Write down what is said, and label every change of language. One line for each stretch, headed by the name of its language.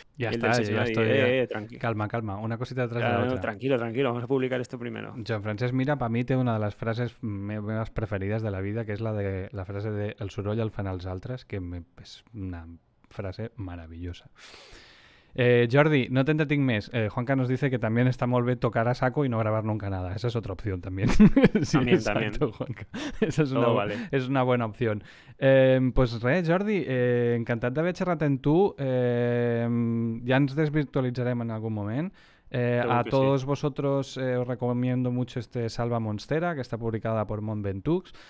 Catalan: Ja està, ja estic, tranquil. Calma, calma, una cosita detrás de l'altra.
Spanish: Tranquilo, tranquilo, vamos a publicar esto primero.
Catalan: Joan Francesc Mira, per mi, té una de les frases meves preferides de la vida, que és la frase de el soroll el fan els altres, que és una frase meravellosa. Jordi, no te entretinc més.
Spanish: Juanca nos dice que también está muy bien tocar a saco y no grabar nunca nada. Esa es otra opción también. Sí, también, exacto, también. Juanca. Esa es, una, vale. Es una buena opción.
Catalan: Jordi, encantat d'haver xerrat amb tu. Ja ens desvirtualitzarem en algun moment.
Spanish: A todos sí. Vosotros os recomiendo mucho este Salva Monstera, que está publicada por Mont Ventoux.